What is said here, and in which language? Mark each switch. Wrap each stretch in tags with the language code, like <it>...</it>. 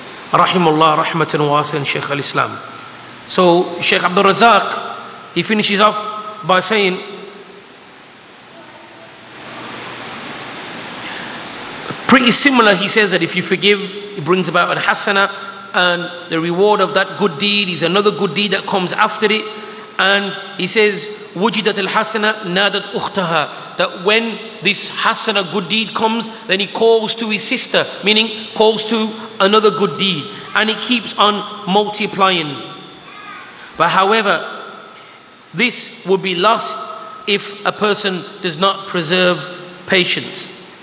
<en>Rahimullah rahmatan wasan Shaykh al-Islam. So Shaykh Abdul Razak, he finishes off by saying, pretty similar, he says that if you forgive, it brings about an hasana, and the reward of that good deed is another good deed that comes after it. And he says,</en> <ar>وُجِدَتِ الْحَسَنَ نَادَتْ أُخْتَهَا.</ar> <en>That when this hasana, good deed, comes, then he calls to his sister, meaning calls to another good deed, and it keeps on multiplying. But however, this would be lost if a person does not preserve patience.</en>